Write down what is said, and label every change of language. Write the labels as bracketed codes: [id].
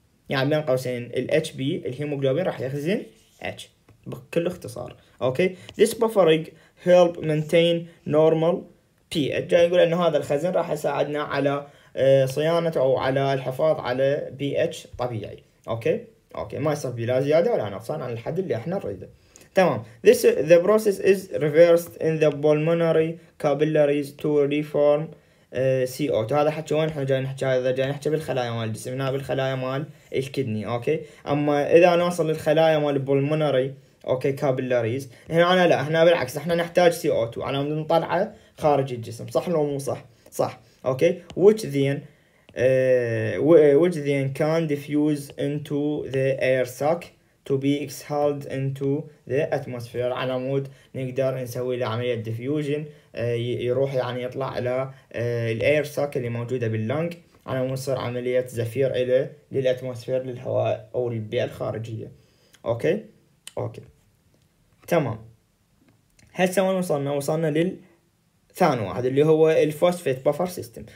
[ar] يعني بين قوسين ال HB الهيموجلوبين راح يخزن H بكل اختصار. [en] Okay this buffering help maintain normal pH. [ar] جاي يقول انه هذا الخزن راح يساعدنا على صيانه او على الحفاظ على pH طبيعي. اوكي اوكي ما يصير فيه لا زياده ولا نقصان عن الحد اللي احنا نريده. [en] تمام this the process is reversed in the pulmonary capillaries to reform CO2. [ar] هذا حكي وين احنا جاي نحكي؟ هذا جاي نحكي بالخلايا مال الجسم هنا بالخلايا مال الكدني. اوكي اما اذا نوصل للخلايا مال البولموناري اوكي كابيلاريز هنا انا لا احنا بالعكس احنا نحتاج CO2 انا بنطلعه خارج الجسم صح لو مو صح؟ صح. [en] Okay which then can diffuse into the air sac to be exhaled into the atmosphere. [ar] على مود نقدر نسوي له عمليه ديفيوجن يروح يعني يطلع الى الاير ساك اللي موجوده باللنج على مود تصير عمليه زفير الى للاتموسفير للهواء او البيئه الخارجيه. اوكي اوكي تمام هسه وين وصلنا؟ وصلنا للثاني واحد اللي هو الفوسفيت بافر سيستم.